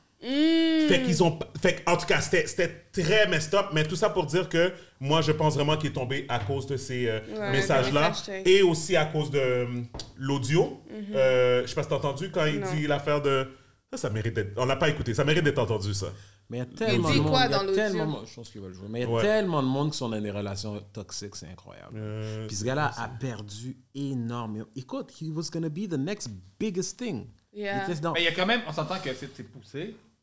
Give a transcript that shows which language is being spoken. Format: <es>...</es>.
<fr>En tout cas, c'était très</fr> <en>messed up,</en> <fr>mais tout ça pour dire que moi, je pense vraiment qu'il est tombé à cause de ces messages-là, et aussi à cause de l'audio. Je ne sais pas si tu as entendu quand il dit l'affaire de. Ça mérite d'être... On l'a pas écouté. Ça mérite d'être entendu, ça. Mais il y a tellement de monde... Je pense qu'il va le jouer. Mais il y a tellement de monde qui sont dans des relations toxiques. C'est incroyable. Puis ce gars-là a perdu énormément. Écoute,</fr> <en>he was going to be the next biggest thing. Yeah.</en> <fr>Mais il y a quand même... On s'entend que c'est poussé.</fr>